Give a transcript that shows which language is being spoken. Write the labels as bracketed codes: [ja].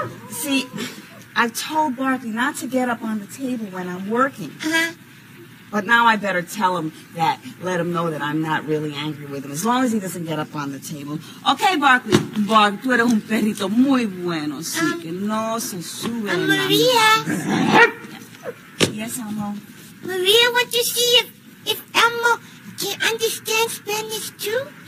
[en] See, I've told Barkley not to get up on the table when I'm working. Uh-huh. But now I better tell him that, let him know that I'm not really angry with him, as long as he doesn't get up on the table. Okay, Barkley. [es] Bark, tú eres un perrito muy bueno, sí, que no se sube en la mesa. Maria. [en] Yes, Elmo. Maria, want to see if Elmo can understand Spanish too?